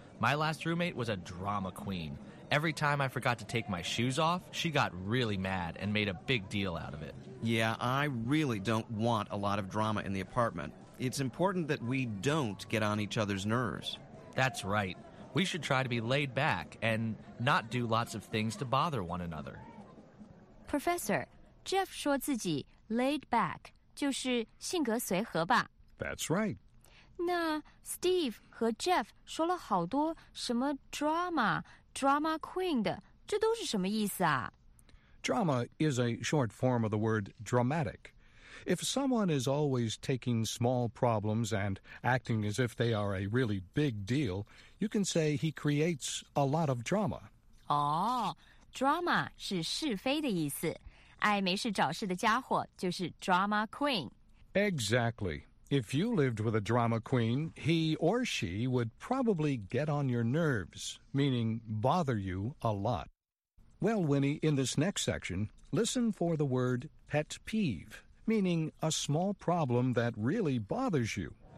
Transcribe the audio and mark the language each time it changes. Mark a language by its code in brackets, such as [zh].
[en] My last roommate was a drama queen. Every time I forgot to take my shoes off, she got really mad and made a big deal out of it. Yeah, I really don't want a lot of drama in the apartment. It's important that we don't get on each other's nerves. That's right. We should try to be laid back and not do lots of things to bother one another. [zh] Professor, Jeff 说自己 laid back 就是性格随和吧。 [en] That's right. [zh] 那 Steve 和 Jeff 说了好多什么 drama, drama queen 的，这都是什么意思啊? [en] Drama is a short form of the word dramatic. If someone is always taking small problems and acting as if they are a really big deal, you can say he creates a lot of drama. [zh] Oh, drama 是是非的意思。爱没事找事的家伙就是 drama queen. [en] Exactly. If you lived with a drama queen, he or she would probably get on your nerves, meaning bother you a lot. Well, Winnie, in this next section, listen for the word pet peeve. Meaning a small problem that really bothers you.